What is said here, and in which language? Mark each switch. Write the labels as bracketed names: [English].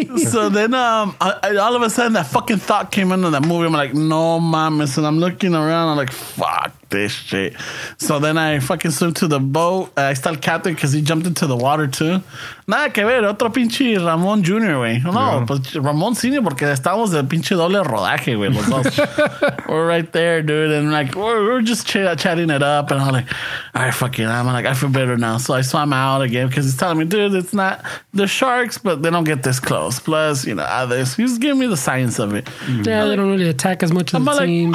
[English] So then, all of a sudden, that fucking thought came into that movie. I'm like, [Spanish] no mames. [English] And I'm looking around, I'm like, fuck this shit. So then I fucking swim to the boat. I start captain because he jumped into the water too. [Spanish] Nada que ver, otro pinche Ramón Jr., güey. No, pues Ramón Senior, porque estábamos de pinche doble rodaje, güey, los dos. [English] We're right there, dude, and like, we're just chatting it up, and I'm like, all right, fuck it, I'm like, I feel better now. So I swam out again, because he's telling me, dude, it's not the sharks, but they don't get this close. Plus, others. He's giving me the science of it. Yeah, they don't really attack as much as the team.